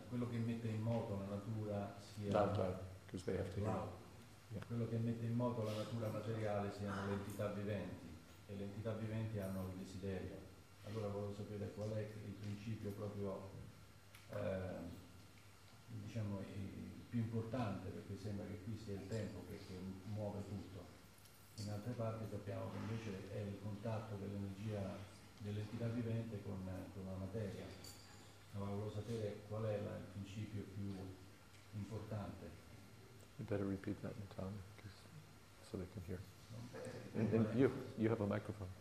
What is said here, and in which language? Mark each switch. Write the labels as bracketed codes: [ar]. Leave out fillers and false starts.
[it] l'altra, [en] because they have to hear. Yeah. [it] Quello che mette in moto la natura materiale siano le entità viventi, e le entità viventi hanno il desiderio. Allora volevo sapere qual è il principio proprio, diciamo, il più importante, perché sembra che qui sia il tempo che muove tutto. In altre parti sappiamo che invece è il contatto dell'energia dell'entità vivente con la materia. Allora volevo sapere qual è il principio più importante. [en] You better repeat that in Italian, so they can hear. And you have a microphone.